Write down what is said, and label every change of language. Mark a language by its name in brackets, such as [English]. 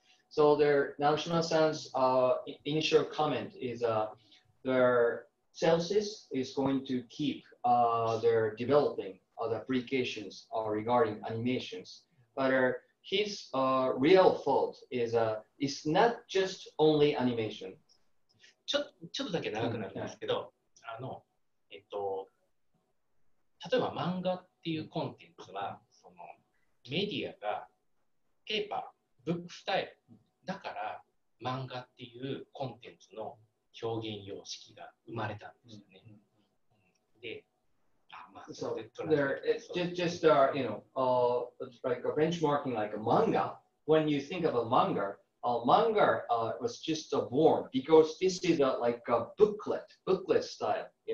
[English] So there, Narushima-san's initial comment is their Celsys is going to keep their developing the applications regarding animations. But his real fault is it's not just only animation. [Japanese] ちょっとだけ長くなりますけど、例えば漫画っていうコンテンツは、メディアがペーパー、ブックスタイル、 だから漫画っていうコンテンツの表現様式が生まれたんですよね。で、まあ、そうで、 [English] there is just a benchmarking like a manga. When you think of a manga, a manga was just born because this is like a booklet style,